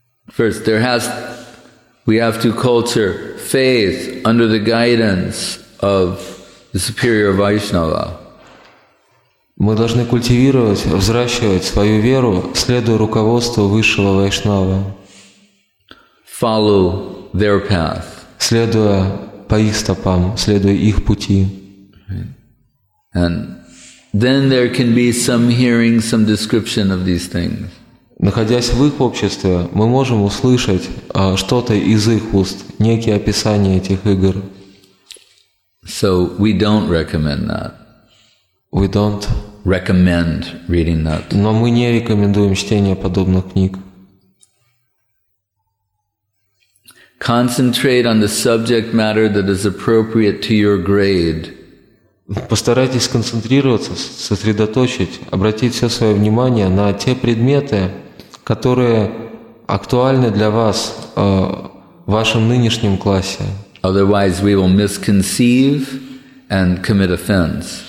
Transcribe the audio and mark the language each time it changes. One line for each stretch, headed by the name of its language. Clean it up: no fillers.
English: First, we have to culture faith under the guidance of the superior Vaishnava.
Russian: Мы должны культивировать, взращивать свою веру, следуя руководству высшего Вайшнава.
English: Follow their path.
Russian: Следуя по их стопам, следуя их пути.
English: And then there can be some hearing, some description of these things.
Russian: Находясь в их обществе, мы можем услышать что-то из их уст, некие описания этих игр.
English: So we don't recommend that. We don't recommend reading that.
Russian: Но мы не рекомендуем чтение подобных книг.
English: Concentrate on the subject matter that is appropriate to your grade.
Russian: Постарайтесь сконцентрироваться, сосредоточить, обратить все свое внимание на те предметы, которые актуальны для вас в вашем нынешнем классе.
English: Otherwise, we will misconceive and commit offense.